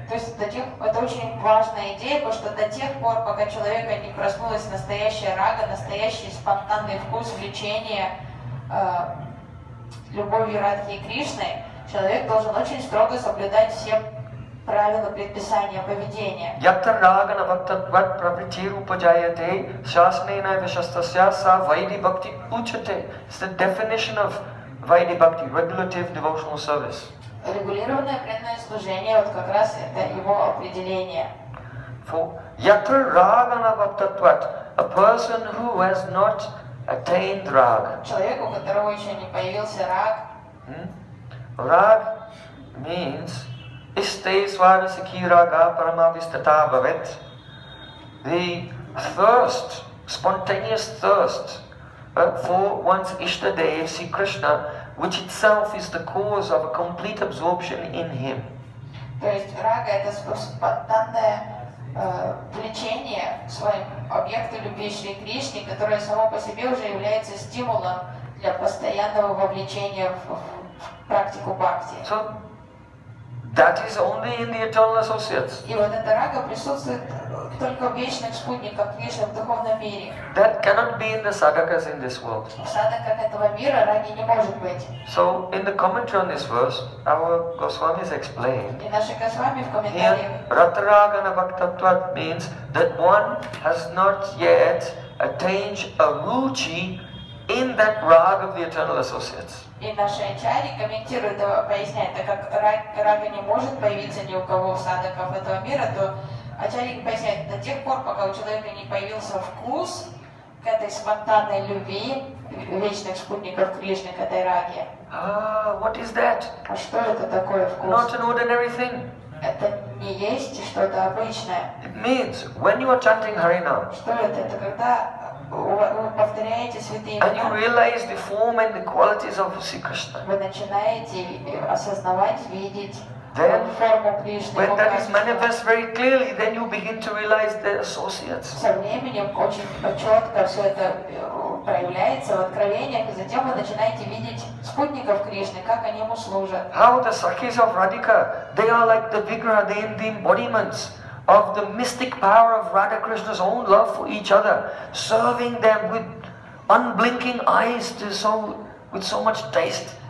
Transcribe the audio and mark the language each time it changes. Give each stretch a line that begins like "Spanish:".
Russian: То есть это очень важная идея, потому что до тех пор, пока человека не проснулась настоящая рага, настоящий спонтанный вкус влечения любовью Радхи и Кришны, человек должен очень строго соблюдать все правила предписания поведения.
Sanskrit: Yatra raga na bhaktatvat pravrittir upajayate shasnena vishastasya sa Vaidhi Bhakti uchate.
English: It's the definition of Vaidhi Bhakti, regulative devotional service.
Russian: Регулированное преданное служение, вот как раз это его определение.
English: For
Sanskrit: yatra ragana bhaktatvat,
English: a person who has not attained raga.
Russian: Человек, у которого еще не появился рак.
Sanskrit: Рак means iste svara sikhi raga paramavistata bhavet.
English: The thirst, spontaneous thirst, for one's Ishta Dev, Sri Krishna, which itself is the cause of a complete absorption in him.
Russian: То есть рага это спонтанное влечение своим объектом любви Шри Кришне, которое само по себе уже является стимулом для постоянного вовлечения в практику бхакти.
English: So, that is only in the eternal associates.
Russian: И вот эта рага присутствует только в вечных спутниках, в вечном духовном мире.
English: That cannot be in the sadhakas in this world.
Russian: В садхаках этого мира раги не может быть.
English: So in the commentary on this verse, our Goswamis explained.
Russian: И наши Госвами в комментариях.
Sanskrit: Ratra raga na bhaktatvat
English: means that one has not yet attained a ruchi in that rag of the eternal associates.
Russian: И наши ачарьи комментируют, поясняют, так как рага не может появиться ни у кого в садхаках этого мира, то ачарьи поясняют, до тех пор, пока у человека не появился вкус к этой спонтанной любви вечных спутников Кришны, к этой раге.
English: What is that?
Russian: А что это такое вкус?
English: Not an ordinary thing.
Russian: Это не есть что-то обычное.
English: It means, when you are chanting Harinam.
Russian: Что это когда вы повторяете святые имена.
English: And you realize the form and the qualities of Sri Krishna.
Russian: Вы начинаете осознавать, видеть
English: then,
Russian: форму Кришны.
English: When that is manifest very clearly, then you begin to realize the associates.
Russian: Со временем очень четко все это проявляется в откровениях, и затем вы начинаете видеть спутников Кришны, как они ему служат.
English: How the sakhis of Radhika, they are like the vigra, they are the embodiments of the mystic power of Radha Krishna's own love for each other, serving them with unblinking eyes to so, with so much taste.